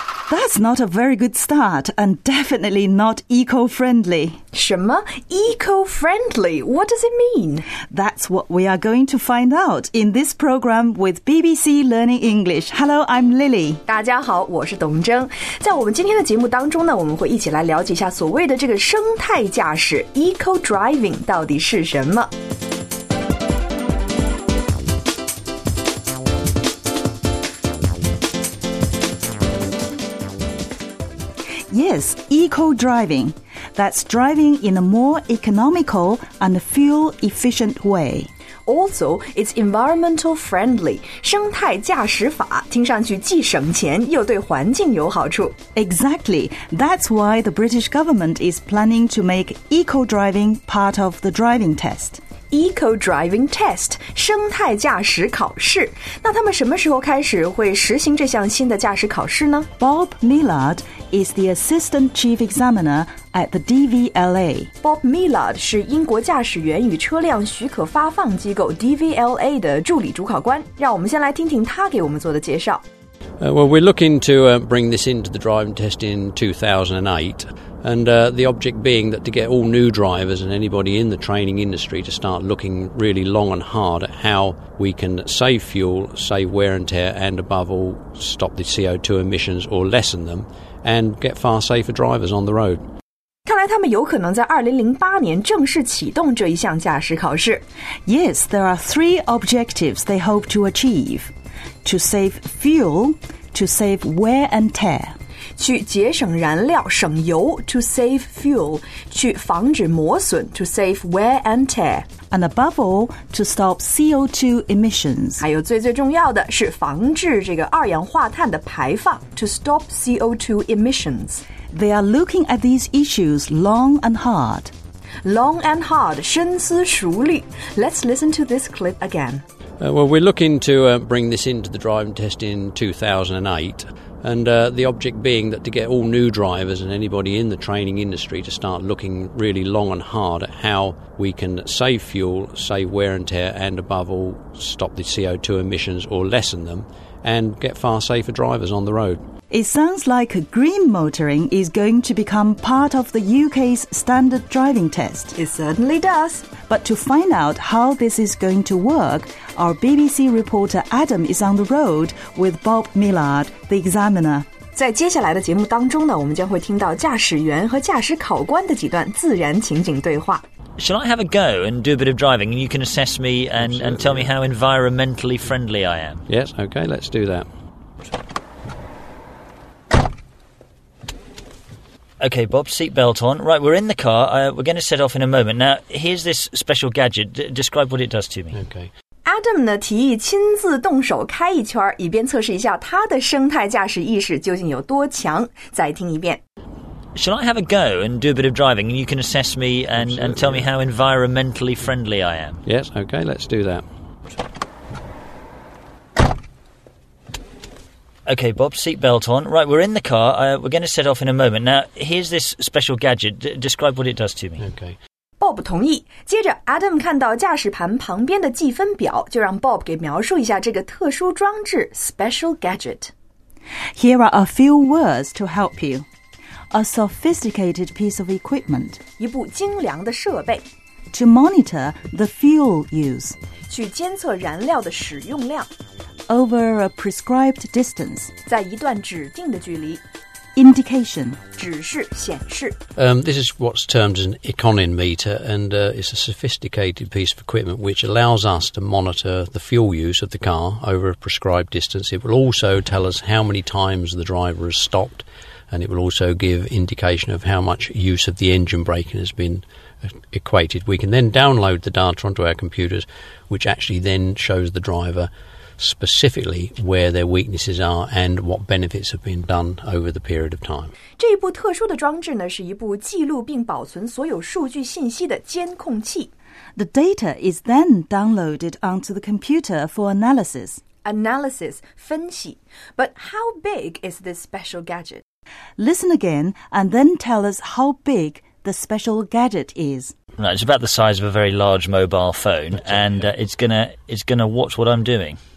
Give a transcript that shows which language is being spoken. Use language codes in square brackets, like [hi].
[en] That's not a very good start, and definitely not eco-friendly. [zh] 什么 eco-friendly? [en] What does it mean? That's what we are going to find out in this program with BBC Learning English. Hello, I'm Lily. [zh] 大家好，我是董真。在我们今天的节目当中呢，我们会一起来了解一下所谓的这个生态驾驶 eco-driving 到底是什么。 [en] Yes, eco-driving. That's driving in a more economical and fuel-efficient way. Also, it's environmental friendly. [zh] 生态驾驶法听上去既省钱又对环境有好处。 [en] Exactly. That's why the British government is planning to make eco-driving part of the driving test. [zh] Eco-driving test, 生态驾驶考试。那他们什么时候开始会实行这项新的驾驶考试呢？ [en] Bob Millard,is the Assistant Chief Examiner at the DVLA. [zh] Bob Millard 是英国驾驶员与车辆许可发放机构 DVLA 的助理主考官。让我们先来听听他给我们做的介绍。 [en] Well, we're looking to bring this into the driving test in 2008, and the object being that to get all new drivers and anybody in the training industry to start looking really long and hard at how we can save fuel, save wear and tear, and above all, stop the CO2 emissions or lessen them,and get far safer drivers on the road. [zh] 看来他们有可能在2008年正式启动这一项驾驶考试。 [en] Yes, there are three objectives they hope to achieve. To save fuel, to save wear and tear. [zh] 去节省燃料,省油, [en] to save fuel. [zh] 去防止磨损, [en] to save wear and tear. And above all, to stop CO2 emissions. [zh] 还有最最重要的是防止这个二氧化碳的排放, [en] to stop CO2 emissions. They are looking at these issues long and hard. Long and hard, 深思熟虑. Let's listen to this clip again. Well, we're looking to bring this into the driving test in 2008. And the object being that to get all new drivers and anybody in the training industry to start looking really long and hard at how we can save fuel, save wear and tear, and above all, stop the CO2 emissions or lessen them, and get far safer drivers on the road. It sounds like green motoring is going to become part of the UK's standard driving test. It certainly does. But to find out how this is going to work... Our BBC reporter Adam is on the road with Bob Millard, the examiner. [zh] 在接下来的节目当中呢，我们将会听到驾驶员和驾驶考官的几段自然情景对话。 [en] Shall I have a go and do a bit of driving? And you can assess me and tell me how environmentally friendly I am. Yes, okay, let's do that. Okay, Bob, seatbelt on. Right, we're in the car. We're going to set off in a moment. Now, here's this special gadget. Describe what it does to me. Okay. [zh] Adam 呢提议亲自动手开一圈，以便测试一下他的生态驾驶意识究竟有多强。再听一遍。 [en] Shall I have a go and do a bit of driving, and you can assess me and tell me how environmentally friendly I am? Yes, okay, let's do that. Okay, Bob, seatbelt on. Right, we're in the car. We're going to set off in a moment. Now, here's this special gadget. Describe what it does to me. Okay. [zh] Bob 同意。接着 ，Adam 看到驾驶盘旁边的计分表，就让 Bob 给描述一下这个特殊装置 （special gadget）。 [en] Here are a few words to help you: a sophisticated piece of equipment， [zh] 一部精良的设备 [en] ；to monitor the fuel use， [zh] 去监测燃料的使用量 [en] ；over a prescribed distance， [zh] 在一段指定的距离。 [en] Indication. [zh] 指示显示 [en] This is what's termed an econometer, and it's a sophisticated piece of equipment which allows us to monitor the fuel use of the car over a prescribed distance. It will also tell us how many times the driver has stopped, and it will also give indication of how much use of the engine braking has been equated. We can then download the data onto our computers, which actually then shows the driver... specifically where their weaknesses are and what benefits have been done over the period of time. [zh] 这一部特殊的装置呢，是一部记录并保存所有数据信息的监控器。 [en] The data is then downloaded onto the computer for analysis. Analysis, 分析。 But how big is this special gadget? Listen again and then tell us how big the special gadget is. No, it's about the size of a very large mobile phone, and it's gonna watch what I'm doing.